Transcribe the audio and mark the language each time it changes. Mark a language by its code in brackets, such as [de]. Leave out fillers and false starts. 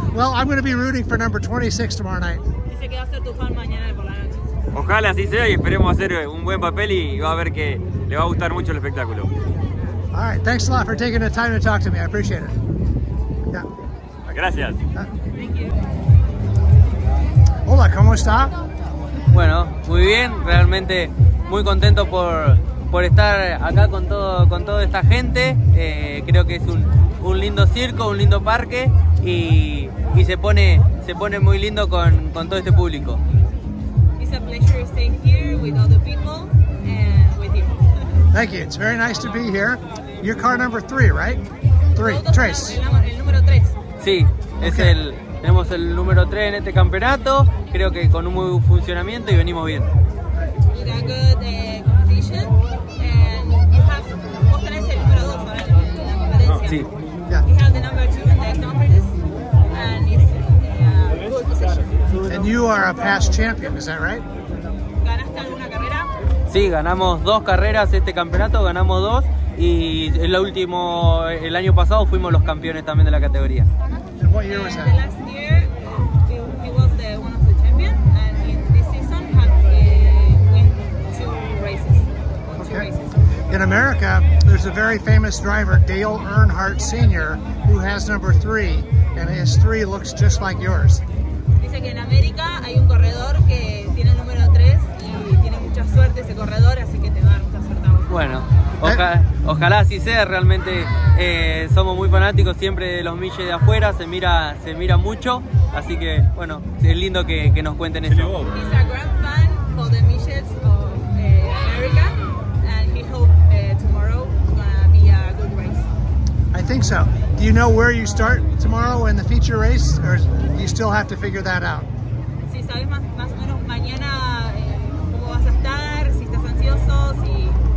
[en] Well, I'm going to be rooting for number 26 tomorrow night. [es] Dice que va a ser tu fan mañana por la noche. Ojalá así sea y esperemos hacer un buen papel y va a ver que le va a gustar mucho el espectáculo. [en] All right, thanks a lot for taking the time to talk to me. I appreciate it. [es] Gracias. Hola, ¿cómo está? Bueno, muy bien, realmente muy contento por estar acá con toda esta gente. Creo que es un lindo circo, un lindo parque y se pone muy lindo con todo este público. [en] It's a pleasure staying here with all the people and with you. Thank you. It's very nice to be here. Your car number 3, right? 3. Trace. [es] El número 3. Sí, es okay. Tenemos el número 3 en este campeonato, creo que con un muy buen funcionamiento y venimos bien. [en] You got good competition and [es] vos tenés el número 2 ahora en la competencia. Sí. [en] You have the number 2 in the competition and it's a good position. And you are a past champion, is that right? [es] ¿Ganaste alguna carrera? Sí, ganamos 2 carreras este campeonato, ganamos 2. Y el año pasado fuimos los campeones también de la categoría. ¿Qué año fue ese? El año pasado fue uno de los campeones y en esta temporada ganó 2 carreras. En América hay un famoso driver muy famoso, Dale Earnhardt Sr., que tiene el número 3 y su 3 se ve [en] just like yours. [es] Dice que en América hay un corredor que tiene el número 3 y tiene mucha suerte ese corredor, así que te va a dar mucha suerte. Bueno. Ojalá así sea, realmente somos muy fanáticos siempre de los Midget de afuera, se mira mucho, así que bueno, es lindo que nos cuenten eso. [en] He's a gran fan for the Midgets of America and he hope tomorrow be a good race. I think so. Do you know where you start tomorrow in the feature race or do you still have to figure that out? [es] Sí, sabes más o menos mañana cómo vas a estar, si estás ansioso, si